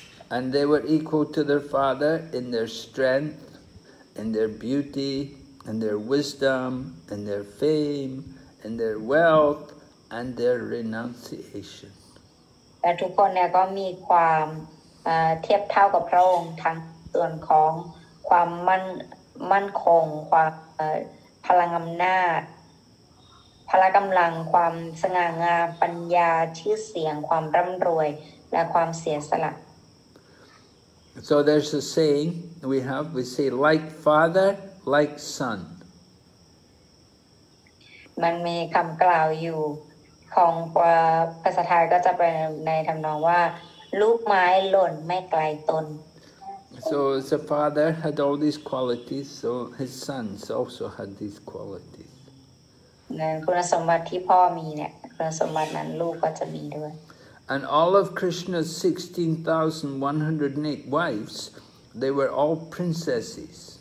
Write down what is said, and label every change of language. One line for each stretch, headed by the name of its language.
English: And they were equal to their father in their strength, in their beauty, in their wisdom, in their fame, in their wealth, and their renunciation.
Thai: ทุกคนเนี่ยก็มีความเทียบเท่ากับพระองค์ทั้งส่วนของความมั่นคงความพลังอำนาจพละกำลังความสง่างามปัญญาชื่อเสียงความร่ำรวยและความเสียสละ
English: So there's a saying we have, we say, like father, like son.
Thai: มันมีคำกล่าวอยู่ของภาษาไทยก็จะเป็นในทำนองว่าลูกไม้หล่นไม่ไกลตน
English: So the father had all these qualities, so his sons also had these qualities.
Thai: คุณสมบัติที่พ่อมีเนี่ยคุณสมบัตินั้นลูกก็จะมีด้วย
English: And all of Krishna's 16,108 wives, they were all princesses.